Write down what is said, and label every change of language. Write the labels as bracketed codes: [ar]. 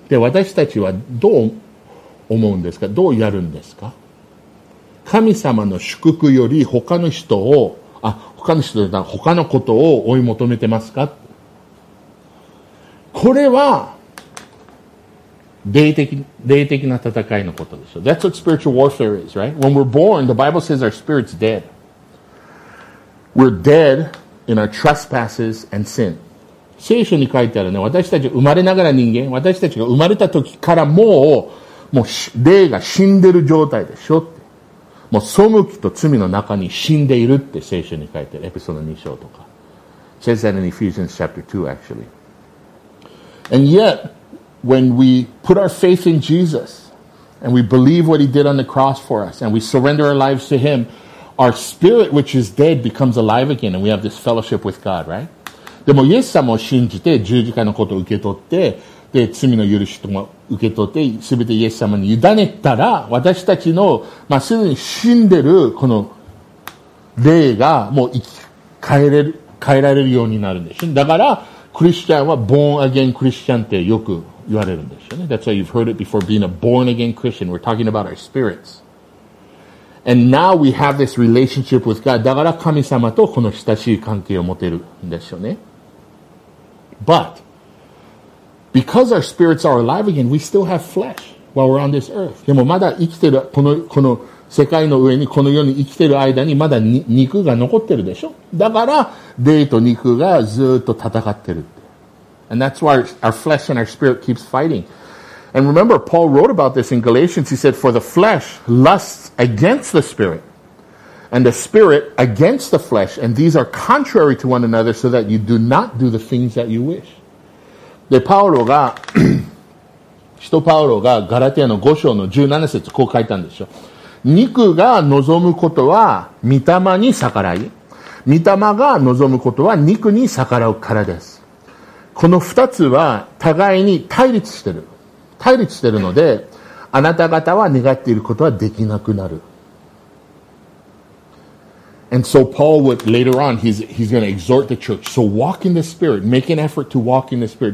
[ja] で、私たちはどう思うんですか？どうやるんですか？神様の祝福より他の人を、あ、他の人じゃない、他のことを追い求めてますか？これは、霊的な戦いのことです。 [en] That's what spiritual warfare is, right? When we're born, the Bible says our spirit's dead. We're dead. In our trespasses and sin. [ja] 聖書に書いてあるね、私たち生まれながら人間、私たちが生まれた時からもう霊が死んでる状態でしょって。もう背きと罪の中に死んでいるって聖書に書いてある。エピソード2章とか。 [en] It says that in Ephesians chapter 2 actually. And yet, when we put our faith in Jesus, and we believe what he did on the cross for us, and we surrender our lives to him,Our spirit, which is dead, becomes alive again, and we have this fellowship with God, right? [ja] でも、イエス様を信じて、十字架のことを受け取って、で、罪の許しとも受け取って、すべてイエス様に委ねたら、私たちの、まあ、すでに死んでる、この、霊が、もう生き返られるようになるんですよ。だから、クリスチャンは、 [en] born again Christian [ja] ってよく言われるんですよね。 [en] That's why you've heard it before, being a born again Christian. We're talking about our spirits. And now we have this relationship with God. [ja] だから神様とこの親しい関係を持てるんですよね。 [en] But, because our spirits are alive again, we still have flesh while we're on this earth. [ja] でもまだ生きてる、この世界の上に、この世に生きてる間にまだに肉が残ってるでしょ。だから、霊と肉がずっと戦ってるって。 [en] And that's why our flesh and our spirit keeps fighting. And remember, Paul wrote about this in Galatians. He said, For the flesh lusts against the spirit, and the spirit against the flesh, and these are contrary to one another, so that you do not do the things that you wish. [ja] で、パウロがガラテヤの5章の17節、こう書いたんですよ。肉が望むことは御霊に逆らい。御霊が望むことは肉に逆らうからです。この2つは互いに対立してる。対立してるので、あなた方は願っていることはできなくなる。 [en] And so Paul would later on, he's going to exhort the church. So walk in the spirit, make an effort to walk in the spirit.